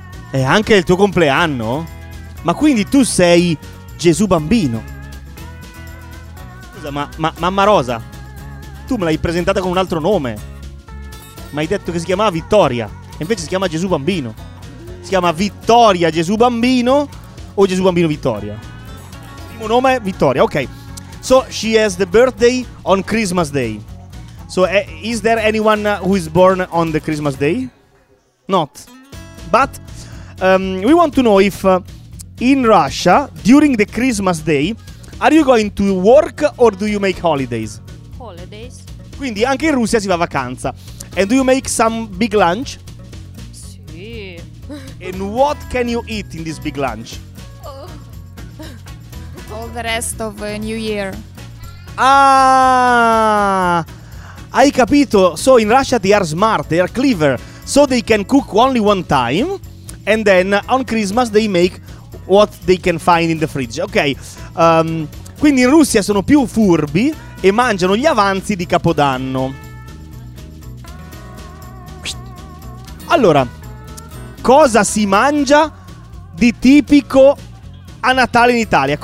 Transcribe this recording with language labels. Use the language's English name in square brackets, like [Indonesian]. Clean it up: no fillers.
[Italian] È anche il tuo compleanno? Ma quindi tu sei Gesù bambino. Scusa, ma mamma Rosa, tu me l'hai presentata con un altro nome. Mi hai detto che si chiamava Vittoria e invece si chiama Gesù bambino. Si chiama Vittoria Gesù bambino o Gesù bambino Vittoria? Primo nome Vittoria, ok. [English] So she has the birthday on Christmas Day. So is there anyone who is born on the Christmas Day? Not. But we want to know if in Russia during the Christmas Day are you going to work or do you make holidays? Holidays. [Italian] Quindi anche in Russia si va a vacanza. [English] And do you make some big lunch? [Italian] Sì. [English] And what can you eat in this big lunch? Oh. All the rest of the New Year. [Italian] Ah! Hai capito? [English] So in Russia they are smart, they are clever, so they can cook only one time and then on Christmas they make what they can find in the fridge. [Italian] Ok, quindi in Russia sono più furbi e mangiano gli avanzi di Capodanno. Allora, cosa si mangia di tipico a Natale in Italia?